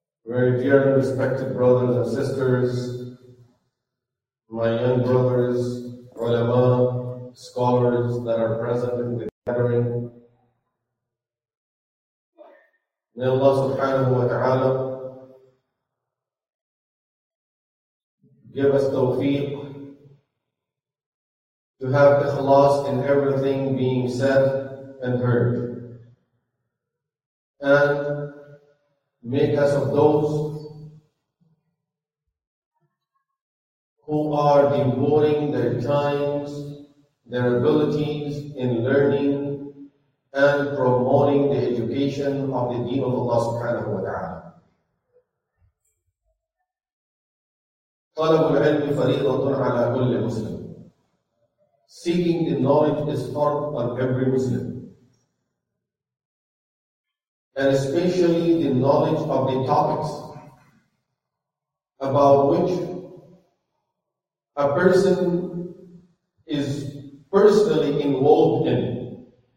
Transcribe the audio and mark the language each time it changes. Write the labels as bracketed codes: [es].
[en] Very dear and respected brothers and sisters, my young brothers, ulama, scholars that are present in the gathering, may Allah subhanahu wa ta'ala give us tawfiq to have ikhlas in everything being said and heard. And make us of those who are devoting their times, their abilities in learning and promoting the education of the deen of Allah subhanahu wa ta'ala. [ar] طلب العلم فريضة على كل مسلم. [en] Seeking the knowledge is fard on every Muslim. And especially the knowledge of the topics about which a person is personally involved in.